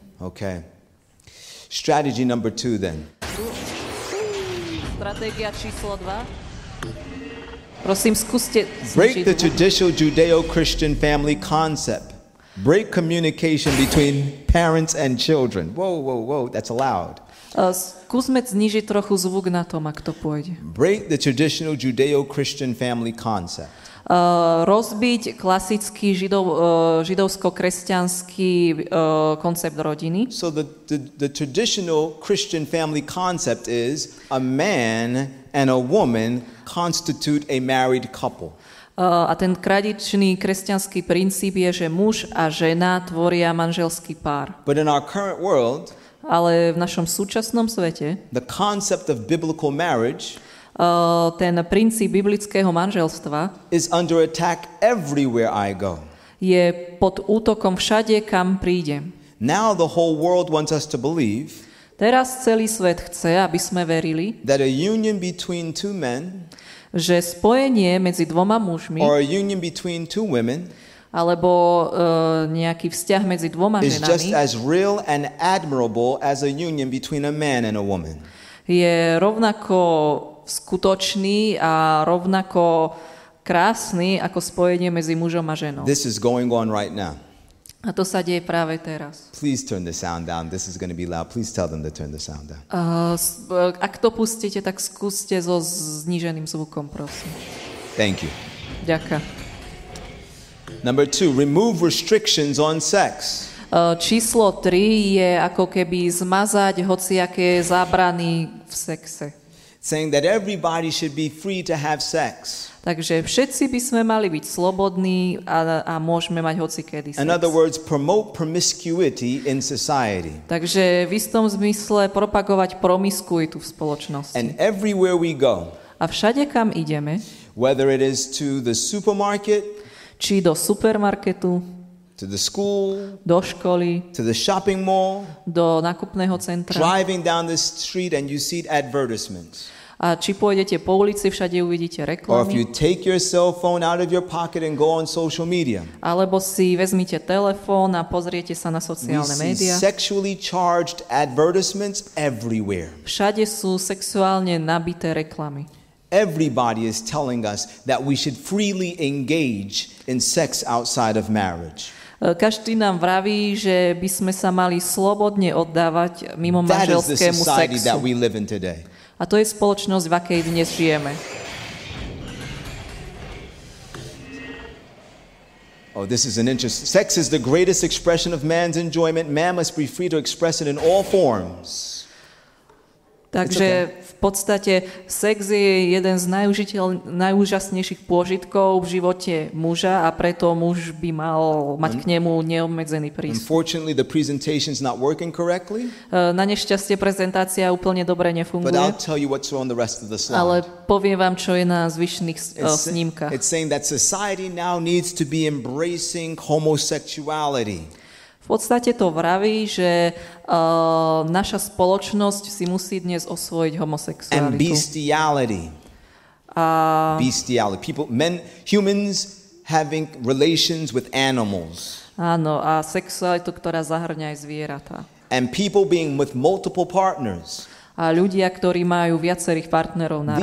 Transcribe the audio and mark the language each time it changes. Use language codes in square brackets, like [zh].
[en] Okay. Strategy number 2 then. [sk] Stratégia číslo 2. Prosím, skúste [en] break the traditional Judeo-Christian family concept. Break communication between parents and children. Whoa, that's loud. [sk] Skúsme znižiť trochu zvuk na tom, ak to pôjde. [en] Break the traditional Judeo-Christian family concept. [sk] Rozbiť klasický židovsko-kresťanský koncept rodiny. [en] So the traditional Christian family concept is a man and a woman constitute a married couple. [sk] A ten tradičný kresťanský princíp je, že muž a žena tvoria manželský pár. [en] But in our current world, [sk] ale v našom súčasnom svete, [en] the concept of biblical marriage, [sk] ten princíp biblického manželstva, [en] is under attack everywhere I go. [sk] Je pod útokom všade, kam príde. [en] Now the whole world wants us to believe. [sk] Teraz celý svet chce, aby sme verili, [en] that a union between two men, [sk] že spojenie medzi dvoma mužmi, [en] or a union between two women, [sk] alebo nejaký vzťah medzi dvoma ženami, [en] is just as real and admirable as a union between a man and a woman. [sk] Je rovnako skutočný a rovnako krásny ako spojenie medzi mužom a ženou. [en] This is going on right now. [sk] A to sa deje práve teraz. [en] Please turn the sound down. This is going to be loud. Please tell them to turn the sound down. [sk] Ak to pustíte, tak skúste so zníženým zvukom, prosím. [en] Thank you. [sk] Ďaka. [en] Number 2, remove restrictions on sex. [sk] Číslo 3 je ako keby zmazať hociaké zábrany v sexe. [en] Saying that everybody should be free to have sex. [sk] Takže všetci by sme mali byť slobodní a môžeme mať hocikedy sex. [en] In other words, promote promiscuity in society. [sk] Takže v istom zmysle propagovať promiskuitu v spoločnosti. [en] And everywhere we go. [sk] A všade, kam ideme. [en] Whether it is to the supermarket. [sk] Či do supermarketu. [en] To the school. [sk] Do školy. [en] To the shopping mall. [sk] Do nákupného centra. [en] Driving down the street and you see advertisements. [sk] A či pôjdete po ulici, všade uvidíte reklamy. [en] Or if you take your cell phone out of your pocket and go on social media. [sk] Alebo si vezmite telefón a pozriete sa na sociálne médiá. [en] We see sexually charged advertisements everywhere. [sk] Všade sú sexuálne nabité reklamy. [en] Everybody is telling us that we should freely engage in sex outside of marriage. [sk] Každý nám vraví, že by sme sa mali slobodne oddávať mimo manželskému sexu. [en] That is the society that we live in today. [sk] A to je spoločnosť, v akej dnes žijeme. [en] Oh, this is an interest. Sex is the greatest expression of man's enjoyment. Man must be free to express it in all forms. [sk] Takže v podstate sex je jeden z najúžasnejších pôžitkov v živote muža a preto muž by mal mať k nemu neobmedzený prístup. [en] Unfortunately, the presentation's not working correctly. [sk] Na nešťastie prezentácia úplne dobre nefunguje. [en] But I'll tell you what's on the rest of the slide. [sk] Ale poviem vám, čo je na zvyšných snímkach. [en] It's saying that society now needs to be embracing homosexuality. [sk] V podstate to vraví, že naša spoločnosť si musí dnes osvojiť homosexualitu. [en] And bestiality. Bestiality. People, men, humans having relations with animals. [sk] Áno, a sexualitu, ktorá zahŕňa aj zvieratá. [en] And people being with multiple partners. [sk] A ľudia, ktorí majú viacerých partnerov naraz.